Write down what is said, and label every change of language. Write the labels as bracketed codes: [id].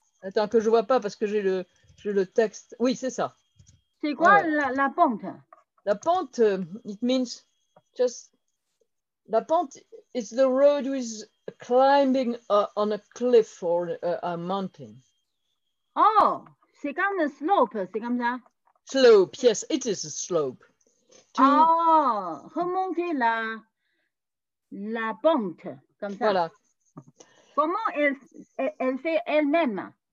[fr] Attends, que je ne vois pas parce que j'ai le texte. Oui, c'est ça. C'est quoi la pente? [en] La pente, it means just, la pente is the road with climbing on a cliff or a mountain. [fr] Oh, c'est comme un slope, c'est comme ça. [en] Slope, yes, it is a slope. [fr] Oh, remonter la pente, comme ça. Voilà. Comment elle fait elle-même?